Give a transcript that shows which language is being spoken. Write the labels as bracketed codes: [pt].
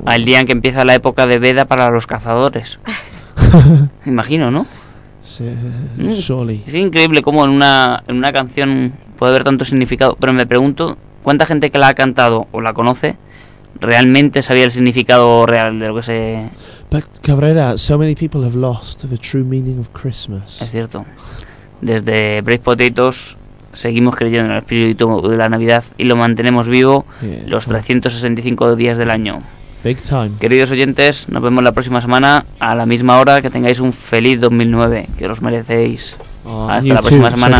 [es] Al día en que empieza la época de veda para los cazadores. Imagino, ¿no? [en] Sí, surely. [es] Es increíble cómo en una canción puede haber tanto significado. Pero me pregunto, ¿cuánta gente que la ha cantado o la conoce realmente sabía el significado real de lo que se? [en] But Cabrera, so many people have lost the true meaning of Christmas. [es] Es cierto. Desde Brave Potatoes seguimos creyendo en el espíritu de la Navidad y lo mantenemos vivo los 365 días del año. [en] Big time. [es] Queridos oyentes, nos vemos la próxima semana a la misma hora. Que tengáis un feliz 2009, que os merecéis. Hasta la próxima semana.